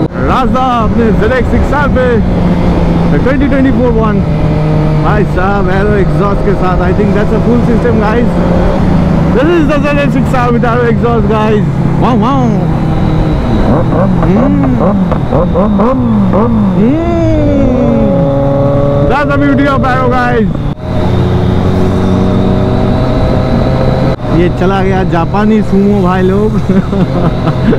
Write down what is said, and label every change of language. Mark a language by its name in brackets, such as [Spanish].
[Hindi] राजा अपने ZX6R पे 2024 one भाई साहब एरो एग्जॉस्ट के साथ, [English] I think that's a full system guys. This is the ZX6R with aero exhaust guys. Wow wow. That's the beauty of aero guys. [Hindi] ये चला गया जापानी सुमो भाई लोग।